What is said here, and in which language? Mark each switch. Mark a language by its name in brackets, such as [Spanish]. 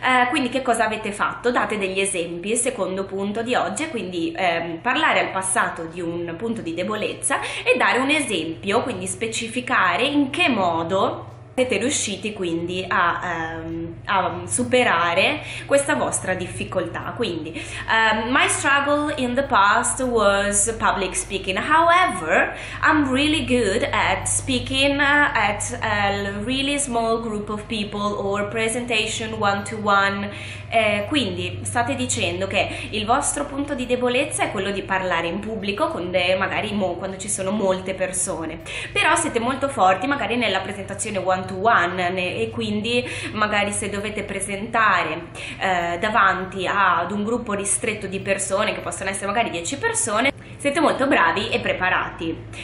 [Italian] Quindi che cosa avete fatto? Date degli esempi. Il secondo punto di oggi è quindi parlare al passato di un punto di debolezza e dare un esempio, quindi specificare in che modo siete riusciti quindi a superare questa vostra difficoltà. Quindi, [English] my struggle in the past was public speaking. However, I'm really good at speaking at a really small group of people or presentation one to one. [Italian] Quindi state dicendo che il vostro punto di debolezza è quello di parlare in pubblico magari quando ci sono molte persone. Però siete molto forti magari nella presentazione [English] one to one. [Italian] E quindi magari se dovete presentare davanti ad un gruppo ristretto di persone, che possono essere magari 10 persone, siete molto bravi e preparati.